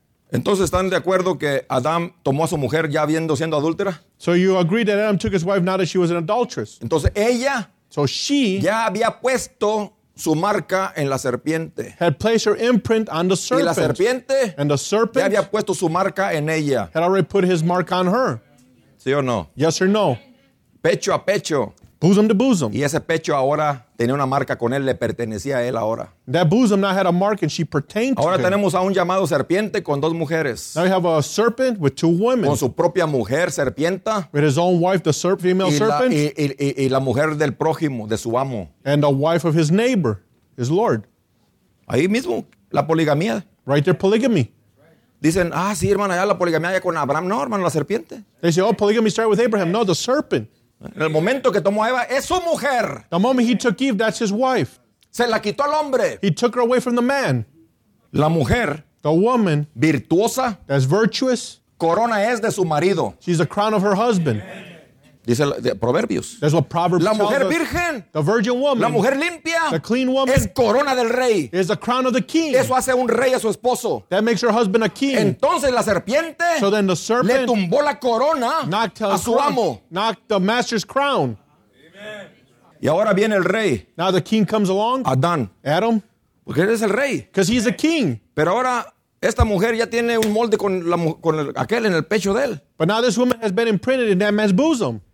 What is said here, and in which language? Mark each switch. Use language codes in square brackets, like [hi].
[es] Entonces, ¿están de acuerdo que Adán tomó a su mujer ya habiendo siendo adúltera? [en] So you agree that Adam took his wife now that she was an adulteress. [es] Entonces, ella... [en] So she [es] ya había puesto su marca en la serpiente. [en] Had placed her imprint on the serpent. [es] Y la serpiente [en] and the serpent [es] ya había puesto su marca en ella. [en] Had already put his mark on her. [es] ¿Sí o no? [en] Yes or no. [es] Pecho a pecho. [en] Bosom to bosom. [es] Y ese pecho ahora tenía una marca con él, le pertenecía a él ahora. [en] That bosom now had a mark and she pertained [es] ahora [en] to him. [es] Ahora tenemos a un llamado serpiente con dos mujeres. [en] Now we have a serpent with two women. [es] Con su propia mujer, serpienta. [en] With his own wife, the female serpent. [es] Y la mujer del prójimo, de su amo. [en] And the wife of his neighbor, his lord. [es] Ahí mismo, la poligamia. [en] Right there, polygamy. [es] Dicen, ah, sí, hermano, allá la poligamia allá con Abraham. No, hermano, la serpiente. [en] They say, oh, polygamy started with Abraham. No, the serpent. [es] En el momento que tomó a Eva, es su mujer. [en] The moment he took Eve, that's his wife. [es] Se la quitó al hombre. [en] He took her away from the man. [es] La mujer. [en] The woman. [es] Virtuosa. [en] That's virtuous. [es] Corona es de su marido. [en] She's the crown of her husband. [es] Dice Proverbios. [en] That's what Proverbs tells us. [es] La mujer virgen. [en] The virgin woman. [es] La mujer limpia. [en] The clean woman. [es] Es corona del rey. [en] Is the crown of the king. [es] Eso hace un rey a su esposo. [en] That makes her husband a king. [es] Entonces la serpiente. [en] So then the serpent. [es] Le tumbó la corona. [en] Knocked [es] a su amo. [en] Knocked the master's crown. [es] Amen. Y ahora viene el rey. [en] Now the king comes along. [es] Adán. [en] Adam. [es] Porque eres el rey. [en] Because he's a king. [es] Pero ahora. Esta mujer ya tiene un molde con aquel en el pecho de él. [en] But now this woman has been imprinted in that man's bosom.